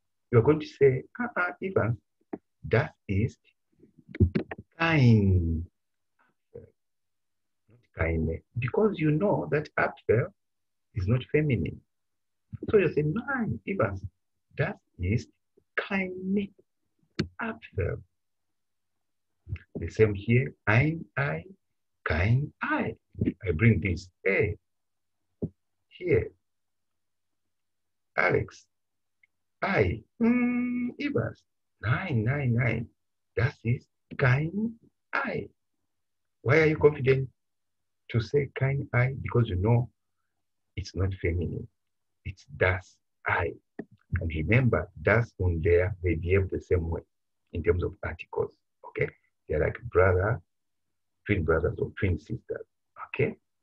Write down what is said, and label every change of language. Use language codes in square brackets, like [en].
[en] You're going to say, Ivan, [de] das ist kein Apfel. [en] Not keine, because you know that Apfel is not feminine. So you say, [de] nein, Ivan, das ist keine Apfel. [en] The same here, [de] ein Ei, kein Ei. [en] I bring this A here. [de] Alex, I, Ivers, nein, nein, nein, das ist kein Ei. [en] Why are you confident to say [de] kein Ei? [en] Because you know it's not feminine, it's [de] das Ei. [en] And remember, das und der, they behave the same way in terms of articles, okay? They're like brother, twin brothers or twin sisters, okay?